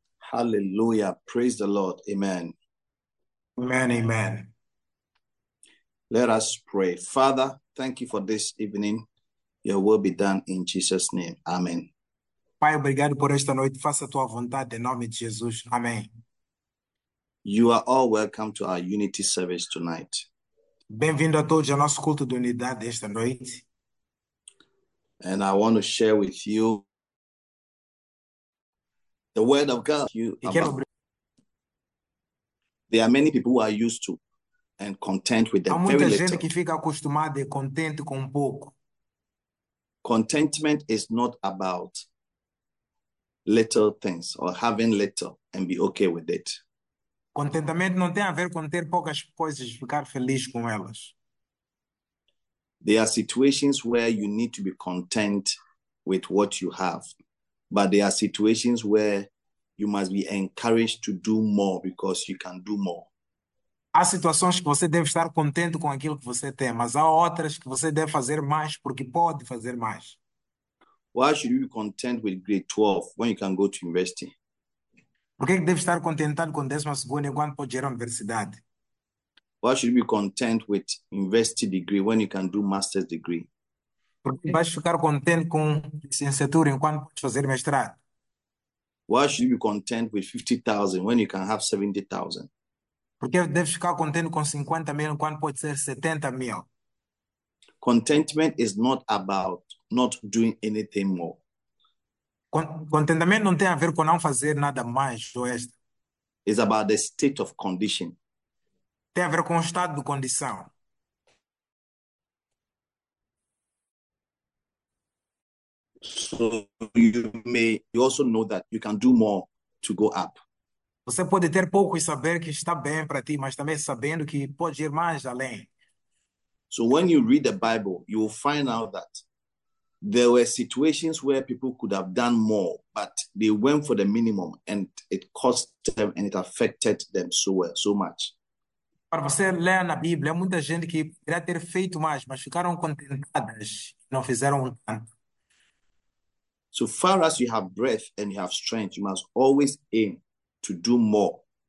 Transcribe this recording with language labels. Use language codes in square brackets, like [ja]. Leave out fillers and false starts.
[en] Aleluia. Praise the Lord. Amen. Amen, amen. Let us pray. Father, thank you for this evening. Your will be done in Jesus' name. Amen. [pt] Pai, obrigado por esta noite. Faça a tua vontade em nome de Jesus. Amém. [en] You are all welcome to our unity service tonight. [pt] Bem-vindo a todos ao nosso culto de unidade esta noite. [en] And I want to share with you the word of God. There are many people who are used to and content with the very little. [pt] Há muita gente que fica acostumada e contente com pouco. [en] Contentment is not about little things or having little and be okay with it. [pt] Contentamento não tem a ver com ter poucas coisas e ficar feliz com elas. [en] There are situations where you need to be content with what you have, but there are situations where you must be encouraged to do more because you can do more. [pt] Há situações que você deve estar contente com aquilo que você tem, mas há outras que você deve fazer mais porque pode fazer mais. [en] Why should you be content with grade 12 when you can go to university? [pt] Por que é que deve estar contentado com 12º quando pode ir à universidade? [en] Why should you be content with university degree when you can do master's degree? [pt] Por que vais ficar contente com licenciatura enquanto podes fazer mestrado? [en] Why should you be content with 50,000 when you can have 70,000? [pt] Porque deves ficar contente com 50 mil quando pode ser 70 mil? [en] Contentment is not about not doing anything more. [pt] Contentamento não tem a ver com não fazer nada mais. [en] It's about the state of condition. [pt] Tem a ver com o estado de condição. [en] So you also know that you can do more to go up. [pt] Você pode ter pouco e saber que está bem para ti, mas também sabendo que pode ir mais além. [en] So when you read the Bible, you will find out that there were situations where people could have done more, but they went for the minimum and it cost them and it affected them so much. [pt] Para você ler na Bíblia, muita gente que poderia ter feito mais, mas ficaram contentadas, não fizeram tanto. [en] So far as you have breath and you have strength, you must always aim to do more.